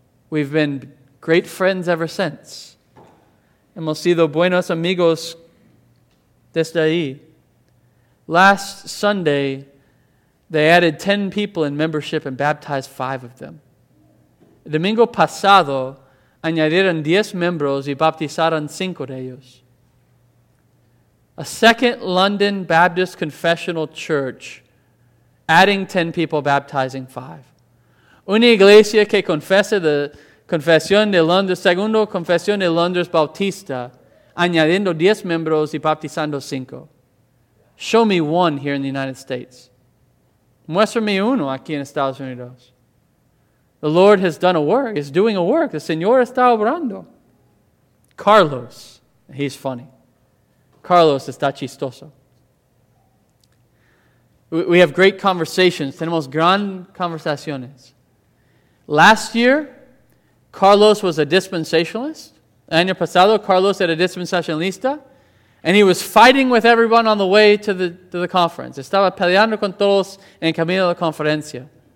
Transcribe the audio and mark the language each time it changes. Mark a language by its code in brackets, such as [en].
[en] We've been great friends ever since. [es] Hemos sido buenos amigos desde ahí. [en] Last Sunday, they added 10 people in membership and baptized 5 of them. [es] Domingo pasado, añadieron 10 miembros y bautizaron 5 de ellos. [en] A second London Baptist confessional church, adding 10 people, baptizing 5. [es] Una iglesia que confesa la confesión de Londres, segundo confesión de Londres Bautista, añadiendo 10 miembros y bautizando 5. [en] Show me one here in the United States. [es] Muéstrame uno aquí en Estados Unidos. [en] The Lord has done a work. He's doing a work. [es] The Señor está obrando. Carlos, [en] he's funny. [es] Carlos está chistoso. [en] We have great conversations. [es] Tenemos gran conversaciones. [en] Last year, Carlos was a dispensationalist. [es] Año pasado, Carlos era dispensationalista. [en] And he was fighting with everyone on the way to the conference. [es] Estaba peleando con todos en camino a la conferencia.